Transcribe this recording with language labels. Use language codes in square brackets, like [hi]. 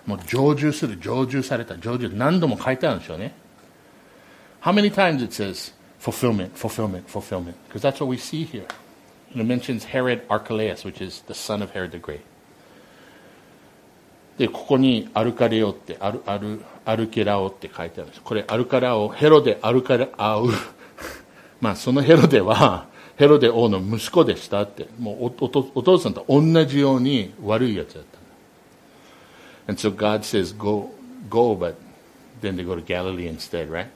[ja] もう成就する、成就された、成就、何度も書いてあるんでしょうね。 [en] How many times it says fulfillment, fulfillment, fulfillment? Because that's what we see here. And it mentions Herod Archelaus, which is the son of Herod the Great. [ja] で、ここにアルカレオって、アルケラオって書いてあるんです。これ、アルカラオ、ヘロデ、アルカラオ。まあ、そのヘロデは、ヘロデ王の息子でしたって、もう お父さんと同じように悪いやつだった。 [en] And so God says, go, go, but then they go to Galilee instead, right?